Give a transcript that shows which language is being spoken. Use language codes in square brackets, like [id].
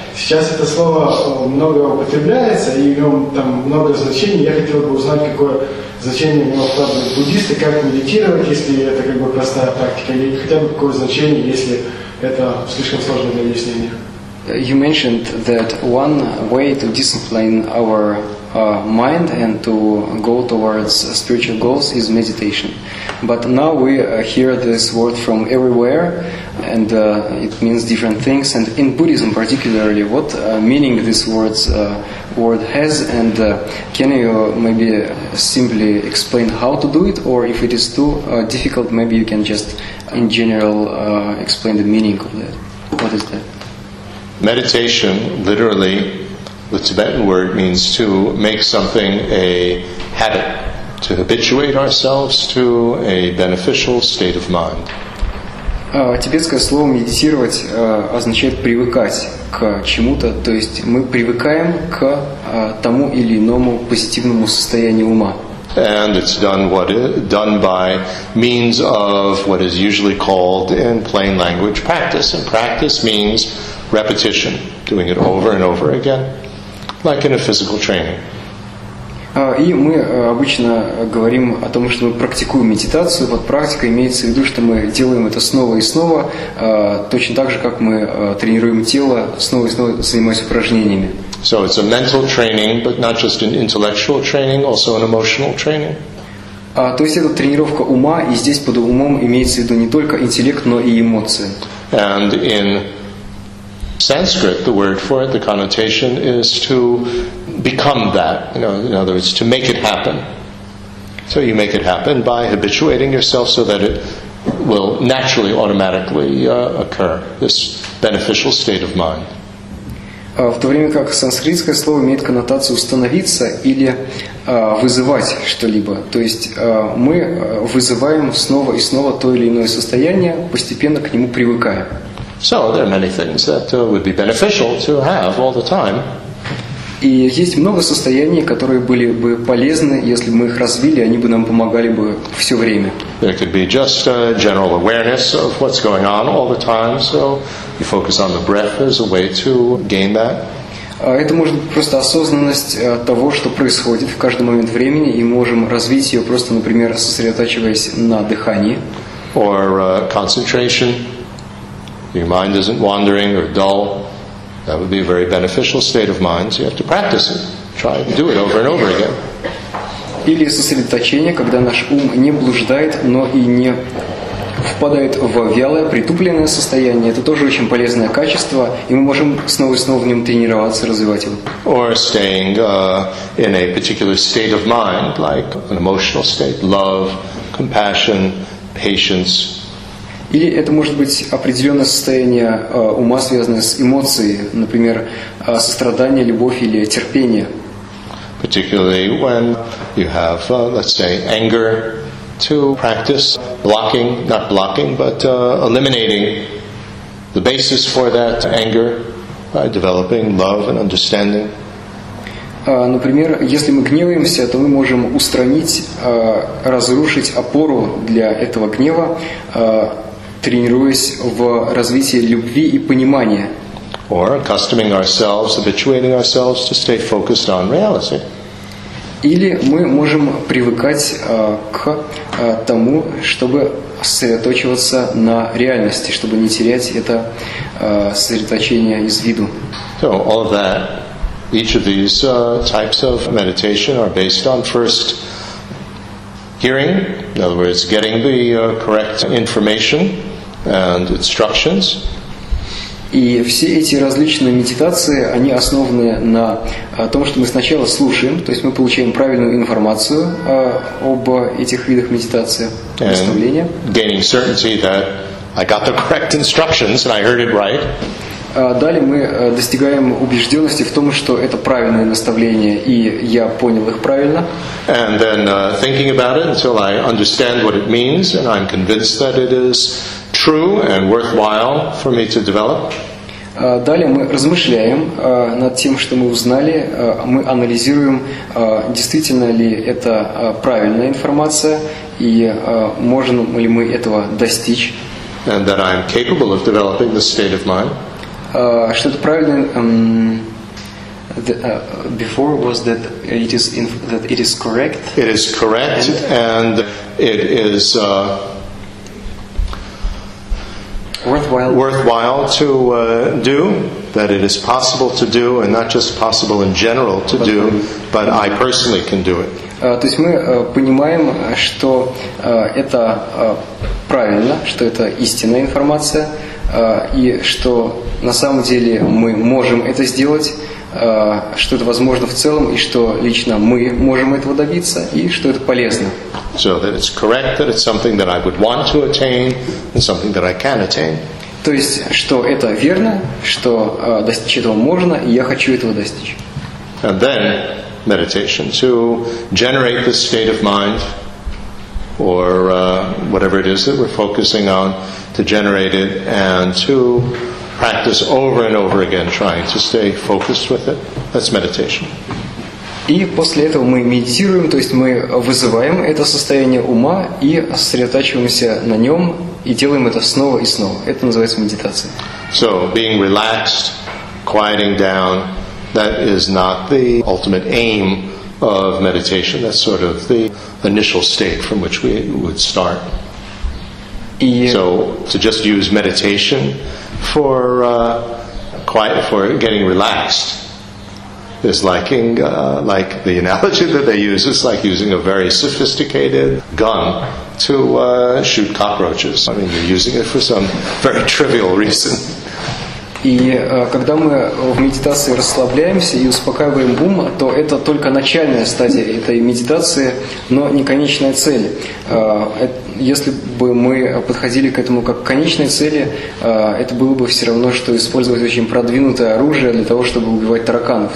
[ru] Сейчас это слово много употребляется, и в нем там много значений. Я хотел бы узнать, какое значение ему вкладывают буддисты, как медитировать, если это как бы простая практика, или хотя бы какое значение, если это слишком сложно для объяснения. [en] You mentioned that one way to discipline our mind and to go towards spiritual goals is meditation. But now we hear this word from everywhere, and it means different things. And in Buddhism particularly, what meaning this word has, and can you maybe simply explain how to do it, or if it is too difficult, maybe you can just in general explain the meaning of that. What is that? Meditation, literally, the Tibetan word means to make something a habit, to habituate ourselves to a beneficial state of mind. [ru] Тибетское слово медитировать означает привыкать к чему-то, то есть мы привыкаем к тому или иному позитивному состоянию ума. [en] And it's done by means of what is usually called in plain language practice. And practice means repetition, doing it over and over again, like in a physical training. [ru] И мы обычно говорим о том, что мы практикуем медитацию. Вот практика имеется в виду, что мы делаем это снова и снова, точно так же, как мы тренируем тело, снова и снова занимаясь упражнениями. [en] So it's a mental training, but not just an intellectual training, also an emotional training. [ru] То есть это тренировка ума, и здесь под умом имеется в виду не только интеллект, но и эмоции. [en] And in Sanskrit, the word for it, the connotation is to become that. You know, in other words, to make it happen. So you make it happen by habituating yourself so that it will naturally, automatically occur, this beneficial state of mind. [ru] В то время как санскритское слово имеет коннотацию «установиться» или «вызывать что-либо». То есть мы вызываем снова и снова то или иное состояние, постепенно к нему привыкая. [en] So there are many things that would be beneficial to have all the time. [ru] И есть много состояний, которые были бы полезны, если бы мы их развили, они бы нам помогали бы все время. [en] There could be just a general awareness of what's going on all the time, so you focus on the breath as a way to gain that. [ru] Это может быть просто осознанность того, что происходит в каждый момент времени, и можем развить ее просто, например, сосредотачиваясь на дыхании. [en] Or concentration. Your mind isn't wandering or dull. That would be a very beneficial state of mind. So you have to practice it. Try and do it over and over again. [ru] Или сосредоточение, когда наш ум не блуждает, но и не впадает в вялое, притупленное состояние. Это тоже очень полезное качество, и мы можем снова и снова в нем тренироваться, развивать его. [en] Or staying in a particular state of mind, like an emotional state, love, compassion, patience. [ru] Или это может быть определенное состояние ума, связанное с эмоцией, например, сострадание, любовь или терпение. [en] Particularly when you have, let's say, anger, to practice blocking, not blocking, but eliminating the basis for that anger by developing love and understanding. [ru] Например, если мы гневаемся, то мы можем устранить, разрушить опору для этого гнева, тренируясь в развитии любви и понимания. [en] Or accustoming ourselves, habituating ourselves to stay focused on reality. [ru] Или мы можем привыкать к тому, чтобы сосредоточиваться на реальности, чтобы не терять это сосредоточение из виду. [en] So all of that, each of these types of meditation are based on first hearing, in other words, getting the correct information and instructions. [ru] И все эти различные медитации, они основаны на том, что мы сначала слушаем, то есть мы получаем правильную информацию об этих видах медитации, представления. [en] And gaining certainty that I got the correct instructions and I heard it right. [ru] Далее мы достигаем убежденности в том, что это правильное наставление, и я понял их правильно. [en] And then thinking about it until I understand what it means and I'm convinced that it is true and worthwhile for me to develop. [ru] Далее мы размышляем над тем, что мы узнали, мы анализируем, действительно ли это правильная информация и можем ли мы этого достичь. [en] And that I'm capable of developing this state of mind. [ru] Что это правильно? [en] Before was that it is in, that it is correct. It is correct and it is worthwhile to do, that it is possible to do, and not just possible in general to do, but I personally can do it. [ru] То есть мы понимаем, что это правильно, что это истинная информация, и что на самом деле мы можем это сделать, что это возможно в целом, и что лично мы можем этого добиться, и что это полезно. [en] So that it's correct, that it's something that I would want to attain, and something that I can attain. [ru] То есть, что это верно, что достичь этого можно, и я хочу этого достичь. [en] And then meditation to generate this state of mind, or whatever it is that we're focusing on, to generate it and to practice over and over again, trying to stay focused with it. That's meditation. [ru] И после этого мы медитируем, то есть мы вызываем это состояние ума и сосредотачиваемся на нем и делаем это снова и снова. Это называется медитация. [en] So, being relaxed, quieting down, that is not the ultimate aim of meditation. That's sort of the initial state from which we would start. So, to just use meditation for quiet, for getting relaxed, is liking, like the analogy that they use, is like using a very sophisticated gun to shoot cockroaches. I mean, you're using it for some very trivial reason. [ru] И когда мы в медитации расслабляемся и успокаиваем ум, то это только начальная стадия этой медитации, но не конечная цель. Если бы мы подходили к этому как к конечной цели, это было бы все равно, что использовать очень продвинутое оружие для того, чтобы убивать тараканов.